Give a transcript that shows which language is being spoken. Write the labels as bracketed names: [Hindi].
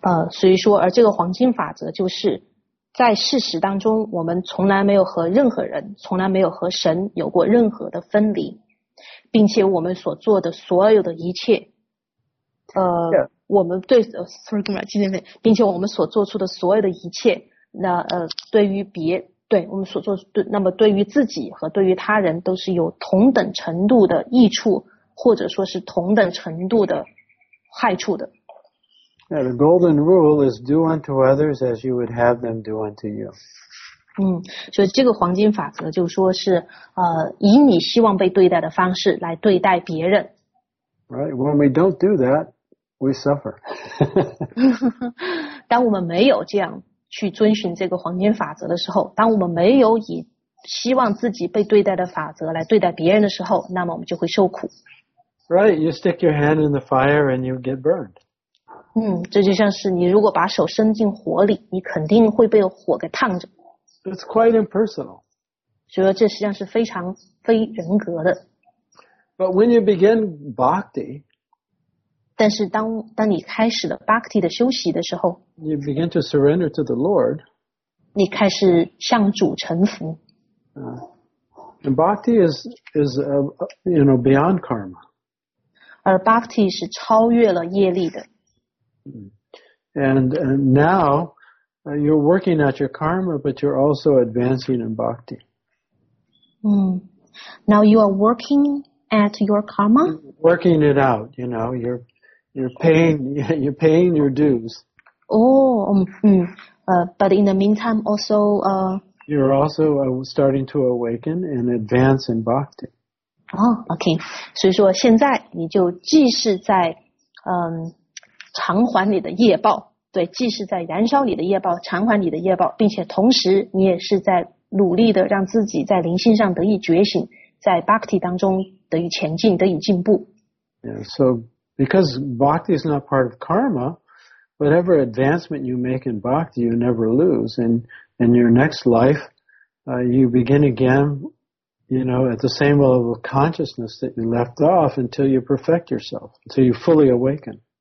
[Chinese] 所以说，而这个黄金法则就是。在事实当中我们从来没有和任何人从来没有和神有过任何的分离，并且我们所做的所有的一切我们对 并且我们所做出的所有的一切那么对于自己和对于他人都是有同等程度的益处或者说是同等程度的害处的。 [English] Yeah, the golden rule is do unto others as you would have them do unto you. [Chinese] 所以这个黄金法则就说是以你希望被对待的方式来对待别人。 [English] Right, when we don't do that, we suffer. [Chinese] 当我们没有这样去遵循这个黄金法则的时候，当我们没有以希望自己被对待的法则来对待别人的时候，那么我们就会受苦。 [English] Right, you stick your hand in the fire and you get burned. [Chinese] 这就像是你如果把手伸进火里，你肯定会被火给烫着。 [English] It's quite impersonal. [Chinese] 所以这实际上是非常非人格的。 [English] But when you begin bhakti, [Chinese] 但是当你开始了 bhakti 的修习的时候， [English] you begin to surrender to the Lord, [Chinese] 你开始向主臣服。 [English] And bhakti is you know, beyond karma. [Chinese] 而 bhakti 是超越了业力的。 [English] And now, you're working at your karma, but you're also advancing in bhakti. Now you are working at your karma? Working it out, you know, you're, You're paying your dues. But in the meantime, also, you're also starting to awaken and advance in bhakti. Okay. [Chinese] 所以说现在你就既是在偿还你的业报，对，既是在燃烧你的业报，偿还你的业报，并且同时你也是在努力的让自己在灵性上得以觉醒，在 bhakti 当中得以前进，得以进步。 [English] Yeah, so because bhakti is not part of karma, whatever advancement you make in bhakti, you never lose. And in your next life, you begin again, you know, at the same level of consciousness that you left off until you perfect yourself, until you fully awaken.